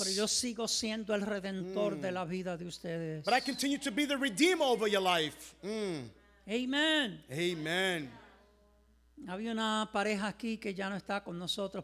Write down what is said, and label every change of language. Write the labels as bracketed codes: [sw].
[es] Pero yo sigo siendo el redentor de la vida de ustedes. [en] But I continue to be the redeemer over your life. Amen. Amen. [es] Había una pareja aquí que ya no está con nosotros.